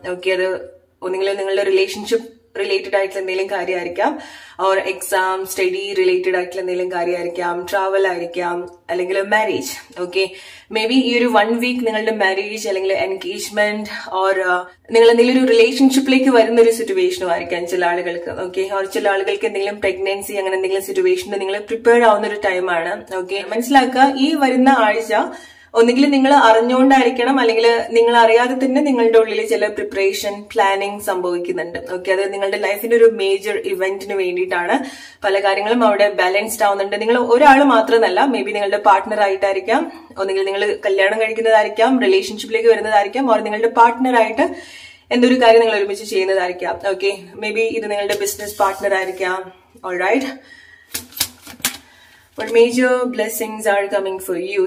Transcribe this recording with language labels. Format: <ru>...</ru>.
<ml>Okay, adu ningal ningalude relationship related aayittulla endhilum karyayirikkam, or exam study related aayittulla endhilum karyayirikkam, travel aayirikkam, allengil marriage. Okay, maybe ee oru 1 week ningalude marriage allengil engagement or ningal endhilum oru relationship like varunna oru situation aayirikkam chila aalukalkku. Okay, or chila aalukalkku endhilum pregnancy angana endhilum situation ningal prepare aavunna oru time aanu. Okay, manasilakka ee varunna aazha ഒന്നെങ്കിലും നിങ്ങൾ അറിഞ്ഞുകൊണ്ടായിരിക്കണം, അല്ലെങ്കിൽ നിങ്ങൾ അറിയാതെ തന്നെ നിങ്ങളുടെ ഉള്ളിൽ ചില preparation planning സംഭവിക്കുന്നുണ്ട്. Okay, അത് നിങ്ങളുടെ ലൈഫിന്റെ ഒരു മേജർ ഇവന്റിന് വേണ്ടിയിട്ടാണ്. പല കാര്യങ്ങളും അവിടെ ബാലൻസ്ഡ് ആവുന്നുണ്ട്. നിങ്ങൾ ഒരാൾ മാത്രമല്ല, മേ ബി നിങ്ങളുടെ പാർട്ട്ണർ ആയിട്ടായിരിക്കാം, ഒന്നെങ്കിൽ നിങ്ങൾ കല്യാണം കഴിക്കുന്നതായിരിക്കാം, റിലേഷൻഷിപ്പിലേക്ക് വരുന്നതായിരിക്കാം, ഓർ നിങ്ങളുടെ പാർട്ട്ണറായിട്ട് എന്തൊരു കാര്യം നിങ്ങൾ ഒരുമിച്ച് ചെയ്യുന്നതായിരിക്കാം. ഓക്കെ, മേ ബി ഇത് നിങ്ങളുടെ ബിസിനസ് പാർട്ട്ണർ ആയിരിക്കാം.</ml> <en>All right, but major blessings are coming for you.</en>